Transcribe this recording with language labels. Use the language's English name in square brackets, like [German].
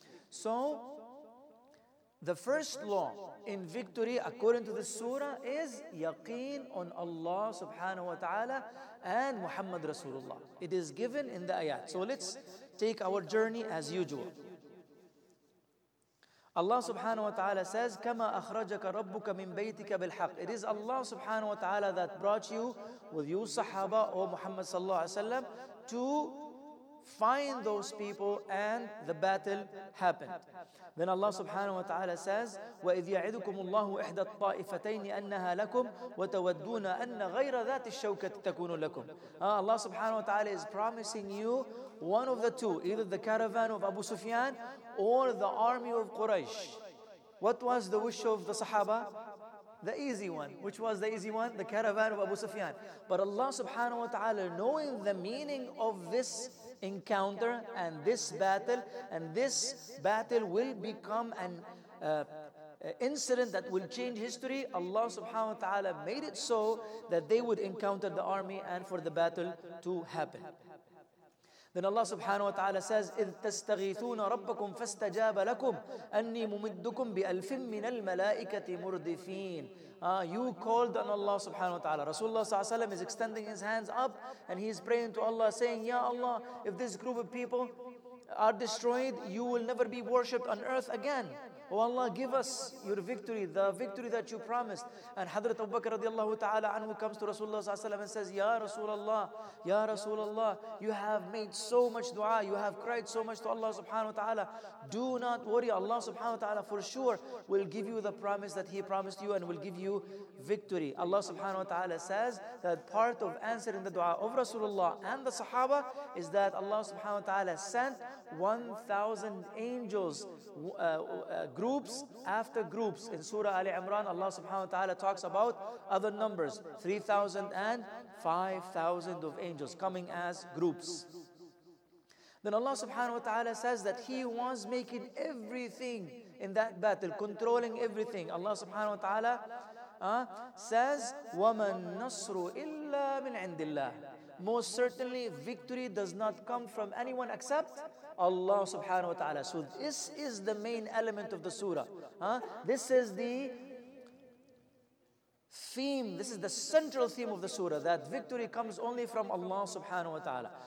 [English] So, the first law in victory according to the surah is yaqeen on Allah subhanahu wa ta'ala and Muhammad Rasulullah. It is given in the ayat. So let's take our journey as usual. [Arabic] Allah subhanahu wa ta'ala says, كَمَا أَخْرَجَكَ رَبُّكَ مِنْ بَيْتِكَ بِالْحَقِّ. [English] It is Allah subhanahu wa ta'ala that brought you with you sahaba, O Muhammad sallallahu alayhi wa sallam, to find those people and the battle happened. [Arabic] Then Allah subhanahu wa ta'ala says, وَإِذْ يَعِدُكُمُ اللَّهُ إِحْدَى الطَّائِفَتَيْنِ أَنَّهَا لَكُمْ وَتَوَدُّونَ أَنَّ غَيْرَ ذَاتِ الشَّوْكَةِ تَكُونُ لَكُمْ. [English] Allah subhanahu wa ta'ala is promising you one of the two, either the caravan of Abu Sufyan or the army of Quraysh. What was the wish of the Sahaba? The easy one. Which was the easy one? The caravan of Abu Sufyan. But Allah subhanahu wa ta'ala, knowing the meaning of this encounter and this battle, and this battle will become an incident that will change history, Allah subhanahu wa ta'ala made it so that they would encounter the army and for the battle to happen. [Arabic] Then Allah subhanahu wa ta'ala says, إِذْ تَسْتَغِيثُونَ رَبَّكُمْ فَاسْتَجَابَ لَكُمْ أَنِّي مُمِدُّكُمْ بِأَلْفٍ مِّنَ الْمَلَائِكَةِ مُرْدِفِينَ. [English] You called on Allah subhanahu wa ta'ala. Rasulullah sallallahu alayhi wa sallam is extending his hands up and he is praying to Allah saying, Ya Allah, if this group of people are destroyed, you will never be worshipped on earth again. Oh Allah, give us your victory, the victory that you promised. And Hadrat Abu Bakr radiallahu ta'ala anhu comes to Rasulullah sallallahu alayhi wa sallam and says, Ya Rasulullah, you have made so much dua, you have cried so much to Allah subhanahu wa ta'ala. Do not worry, Allah subhanahu wa ta'ala for sure will give you the promise that He promised you and will give you victory. Allah subhanahu wa ta'ala says that part of answering the dua of Rasulullah and the Sahaba is that Allah subhanahu wa ta'ala sent 1,000 angels, groups after groups. In Surah Ali Imran, Allah subhanahu wa ta'ala talks about other numbers, 3,000 and 5,000 of angels coming as groups. Then Allah subhanahu wa ta'ala says that He was making everything in that battle, controlling everything. [Arabic] Allah subhanahu wa ta'ala says, وَمَن نَصْرُ إِلَّا مِنْ عِنْدِ اللَّهِ. [English] Most certainly, victory does not come from anyone except Allah subhanahu wa ta'ala. So this is the main element of the surah. This is the theme, this is the central theme of the surah, that victory comes only from Allah subhanahu wa ta'ala.